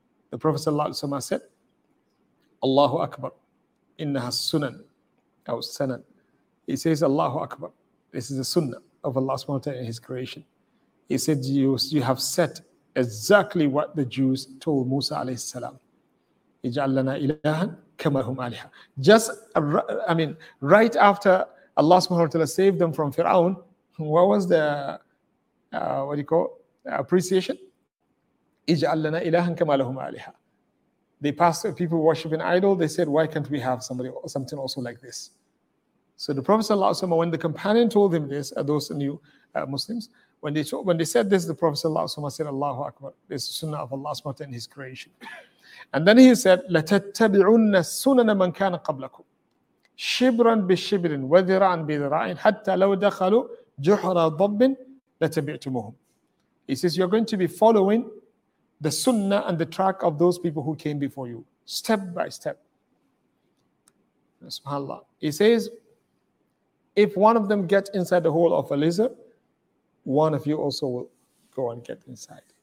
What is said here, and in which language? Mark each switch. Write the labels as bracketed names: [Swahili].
[English] The Prophet sallallahu alaihi wasallam said, Allahu Akbar, [Arabic] إنها السنن أو السنن. [English] He says, Allahu Akbar, this is the sunnah of Allah subhanahu wa ta'ala and His creation. He said, you have said exactly what the Jews told Musa alayhi salam. [Arabic] اجعل لنا إلهًا كما هم آلهة. [English] Just, I mean, right after Allah subhanahu wa ta'ala saved them from Fir'aun, what was the, what do you call, appreciation? [Arabic] اجعل لنا إلهًا كما لهم آلهة. [English] They passed, people worshiping idol, they said, why can't we have somebody or something also like this? So the Prophet sallallahu alayhi wa sallam, when the companion told him this, those new Muslims, when they said this, the Prophet sallallahu alayhi wa sallam said, Allahu Akbar, this is sunnah of Allah subhanahu wa ta'ala in His creation. And then he said, [Arabic] لَتَتَّبِعُنَّ السُنَنَ مَنْ كَانَ قَبْلَكُمْ شِبْرًا بِشِبْرٍ وَذِرَعًا بِذِرَعٍ حَتَّى لَوْ دَخَلُوا جُحْرَ ضَبٍ لَتَبِعْتُمُهُمْ. [English] He says, you're going to be following the sunnah and the track of those people who came before you, step by step. SubhanAllah. He says, if one of them gets inside the hole of a lizard, one of you also will go and get inside.